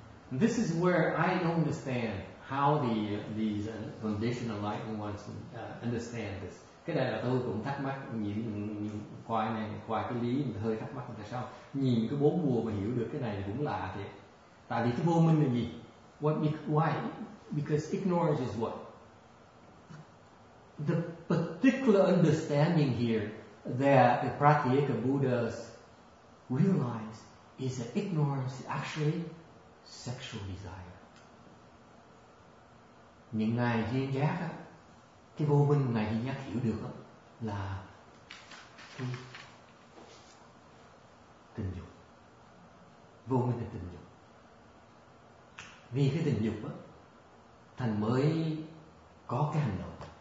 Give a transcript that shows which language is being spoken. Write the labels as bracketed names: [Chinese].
[English] This is where I don't understand how these conditioned enlightened ones understand this. [Vietnamese] Cái này là tôi cũng thắc mắc, nhìn qua này, qua cái lý mình hơi thắc mắc tại sao nhìn cái bốn mùa mà hiểu được cái này cũng lạ thế. Tại vì cái vô minh là gì? [English] Why? Because ignorance is what? The particular understanding here that the Pratyeka Buddhas realize is that ignorance is actually sexual desire. [Vietnamese] Những ngài duyên giác á, cái vô minh ngài duyên giác hiểu được á, là tình dục. Vô minh là tình dục. Vì cái tình dục á, thành mới có cái hành động.